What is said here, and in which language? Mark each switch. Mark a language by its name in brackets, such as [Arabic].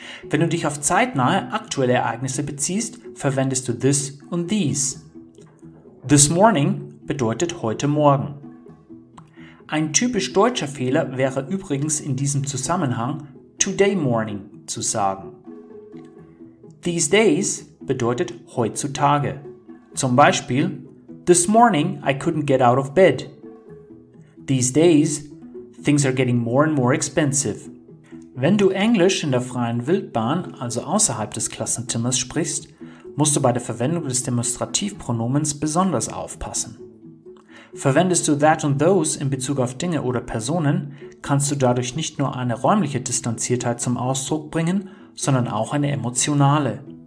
[German] Wenn du dich auf zeitnahe aktuelle Ereignisse beziehst, verwendest du this und these. This morning bedeutet heute Morgen. Ein typisch deutscher Fehler wäre übrigens in diesem Zusammenhang today morning zu sagen. These days bedeutet heutzutage. Zum Beispiel: [English] This morning I couldn't get out of bed. These days things are getting more and more expensive. [German] Wenn du Englisch in der freien Wildbahn, also außerhalb des Klassenzimmers, sprichst, musst du bei der Verwendung des Demonstrativpronomens besonders aufpassen. Verwendest du that und those in Bezug auf Dinge oder Personen, kannst du dadurch nicht nur eine räumliche Distanziertheit zum Ausdruck bringen, sondern auch eine emotionale.